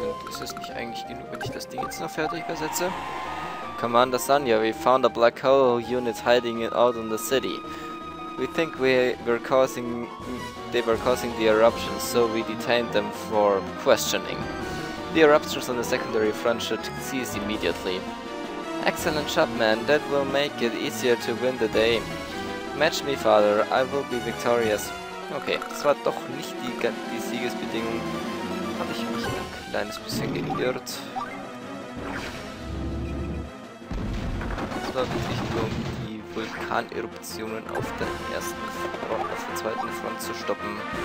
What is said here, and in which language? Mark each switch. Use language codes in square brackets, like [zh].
[de] Ist es nicht eigentlich genug, wenn ich das Ding jetzt noch fertig versetze? [en] Commander Sanya, we found a black hole unit hiding it out in the city. We think they were causing the eruptions, so we detained them for questioning. The eruptions on the secondary front should cease immediately. Excellent shot, man. That will make it easier to win the day. Match me, father. I will be victorious. [de] Okay, das war doch nicht die Siegesbedingung. Habe ich mich ein kleines bisschen geirrt. Das war wirklich nur, um die Vulkaneruptionen auf der ersten Front, auf der zweiten Front zu stoppen.